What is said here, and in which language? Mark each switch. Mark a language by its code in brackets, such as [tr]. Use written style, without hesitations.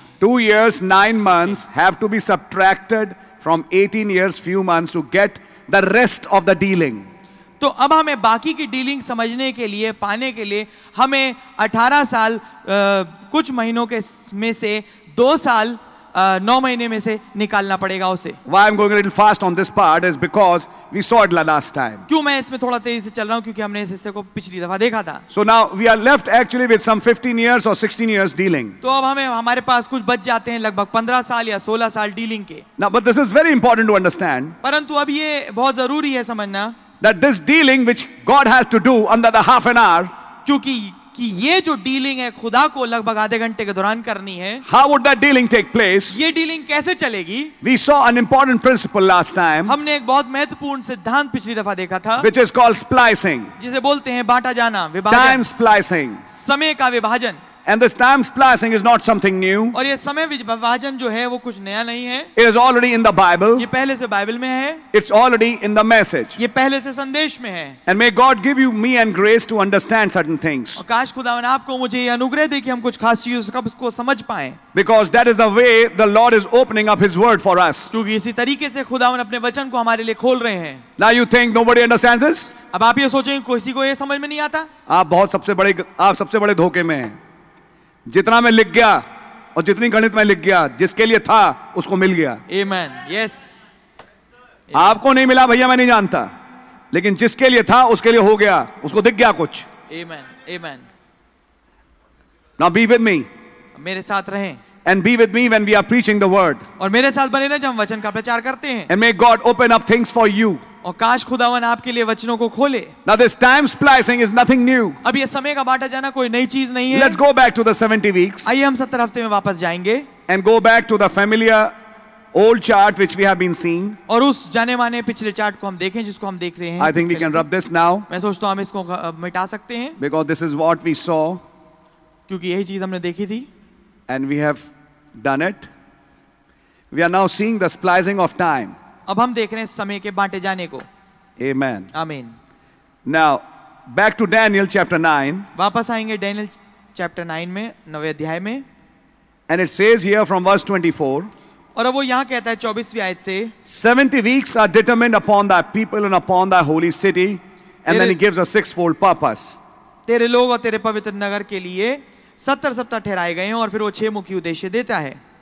[en] 2 years, 9 months have to be subtracted from 18 years, few months to get the rest of the dealing. [hi] तो अब हमें बाकी की dealing समझने के लिए, पाने के लिए, हमें 18 साल कुछ महीनों के में से 2 साल 9 महीने में से निकालना पड़ेगा उसे। [en] Why I'm going a little fast on this part is because we saw it last time. [hi] क्यों मैं इसमें थोड़ा तेजी से चल रहा हूँ, क्योंकि हमने इस हिस्से को पिछली दफा देखा था। [en] So now we are left actually with some 15 years or 16 years dealing. [hi] तो अब हमें हमारे पास कुछ बच जाते हैं लगभग 15 साल या 16 साल डीलिंग के। [en] Now but this is very important to understand. [hi] परंतु अब ये बहुत जरूरी है समझना। [en] That this dealing which God has to do under the half an hour. [hi] क्योंकि कि ये जो डीलिंग है खुदा को लगभग आधे घंटे के दौरान करनी है। [en] How would that dealing take place? [hi] ये डीलिंग कैसे चलेगी? [en] We saw an important principle last time. [hi] हमने एक बहुत महत्वपूर्ण सिद्धांत पिछली दफा देखा था। [en] Which is called splicing. [hi] जिसे बोलते हैं बांटा जाना, [en] विभाजन। Time splicing. [hi] समय का विभाजन। [en] And this time splicing is not something new. [hi] और ये समय विभाजन जो है वो कुछ नया नहीं है. [en] It is already in the Bible. [hi] ये पहले से बाइबल में है. [en] It's already in the message. [hi] ये पहले से संदेश में है. [en] And may God give you me and grace to understand certain things. [hi] और काश खुदावन आपको मुझे ये अनुग्रह दे कि हम कुछ खास चीज़ों का उसको समझ पाएं. [en] Because that is the way the Lord is opening up His Word for us. [hi] क्योंकि इसी तरीके से खुदावन अपने वचन को हमारे लिए खोल रहे हैं. [en] Now you think nobody understands this? [hi] अब आप ये सोचेंगे किसी को ये समझ में नहीं आता? आप सबसे बड़े धोखे में हैं. जितना मैं लिख गया और जितनी गणित मैं लिख गया, जिसके लिए था उसको मिल गया. [en] Amen. Yes. [hi] आपको नहीं मिला भैया, मैं नहीं जानता, लेकिन जिसके लिए था उसके लिए हो गया, उसको दिख गया कुछ. [en] Amen. Amen. Now be with me. [hi] मेरे साथ रहें. [en] And be with me when we are preaching the word. [hi] और मेरे साथ बने रहें जब हम वचन का प्रचार करते हैं. [en] And may God open up things for you. [hi] और काश खुदावन आपके लिए वचनों को खोले. [en] Now this time splicing is nothing new. [hi] अब ये समय का बांटा जाना कोई नई चीज नहीं है. [en] Let's go back to the 70 weeks. [hi] आइए हम 70 हफ्ते में वापस जाएंगे. [en] And go back to the familiar old chart which we have been seeing. [hi] और उस जाने माने पिछले चार्ट को हम देखें जिसको हम देख रहे हैं. [en] I think we can rub this now. [hi] मैं सोचता हूं हम इसको मिटा सकते हैं. [en] Because this is what we saw. [hi] क्योंकि यही चीज हमने देखी थी. [en] And we have done it. We are now seeing the splicing of time. [hi] अब हम देख रहे हैं समय के बांटे जाने को. [en] Amen. Amen. Now, back to Daniel chapter 9. [hi] वापस आएंगे Daniel chapter 9 में, नवे अध्याय में. [en] And it says here from verse 24. [hi] और अब वो यहाँ कहता है 24वीं आयत से. [en] 70 weeks are determined upon thy people and upon thy holy city, and then he gives a sixfold purpose. [hi] तेरे लोग और तेरे पवित्र नगर के लिए 70 सप्ताह ठहराए गए हैं और फिर वो छह मुख्य उद्देश्य देता है.